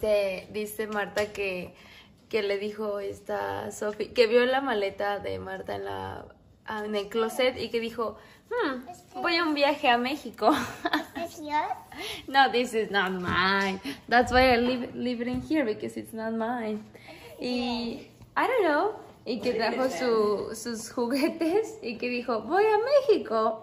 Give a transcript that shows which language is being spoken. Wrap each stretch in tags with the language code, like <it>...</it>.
<es>Dice Marta que le dijo esta Sophie que vio la maleta de Marta en el closet y que dijo, voy a un viaje a México.</es> <en>Is this yours? No, this is not mine. That's why I live it in here, because it's not mine. Y, I don't know.</en> <es>Y que trajo sus juguetes y que dijo, voy a México.</es>